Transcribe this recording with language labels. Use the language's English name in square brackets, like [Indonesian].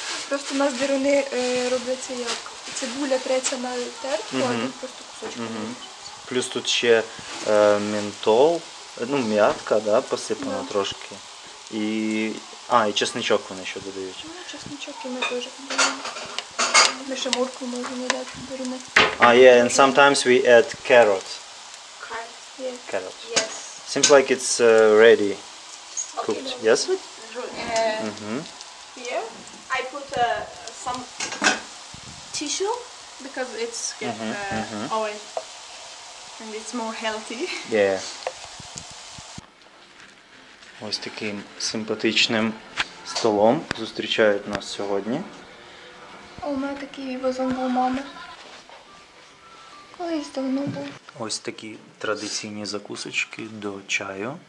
[Ukrainian] Тобто у нас деруни робляться як цибуля треться на тертку, угу. А просто кусочки. Угу. Плюс тут ще ментол, ну м'ятка, да, посипана, да. Трошки. І... А, і чесничок вони ще додають. Ну, чесничок і ми теж. Ми ще морку можемо дати деруни. [English] Yeah, and sometimes we add carrots. Carrots, yes. Yes. Seems like it's ready, cooked, okay, yes? Here, I put some tissue, because it's oil, and it's more healthy. Yeah. [Ukrainian] Ось таким симпатичним столом зустрічають нас сьогодні. У мене такий вазон був мами. Колись давно був. Ось такі традиційні закусочки до чаю.